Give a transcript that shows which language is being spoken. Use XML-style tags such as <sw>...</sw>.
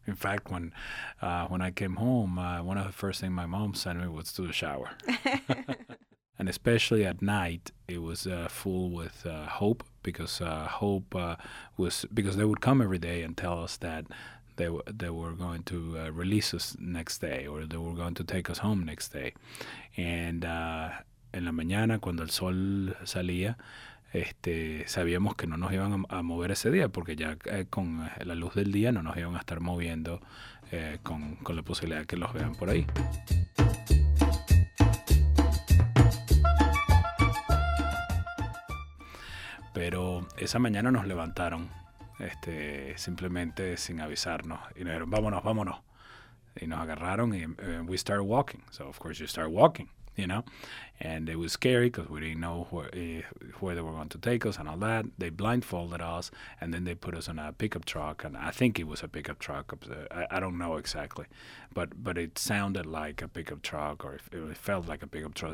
<en>In fact, when I came home, one of the first things my mom sent me was to the shower. And especially at night, it was full with hope, because they would come every day and tell us that they were going to release us next day, or they were going to take us home next day.</en> <es>And en la mañana, cuando el sol salía, sabíamos que no nos iban a mover ese día, porque ya con la luz del día no nos iban a estar moviendo con la posibilidad que los vean por ahí. Pero esa mañana nos levantaron, simplemente sin avisarnos, y nos dijeron, vámonos, vámonos. Y nos agarraron y</es> <en>we started walking. So, of course, you start walking, you know. And it was scary because we didn't know where they were going to take us and all that. They blindfolded us, and then they put us on a pickup truck. And I think it was a pickup truck. I don't know exactly. But it sounded like a pickup truck, or it felt like a pickup truck.</en>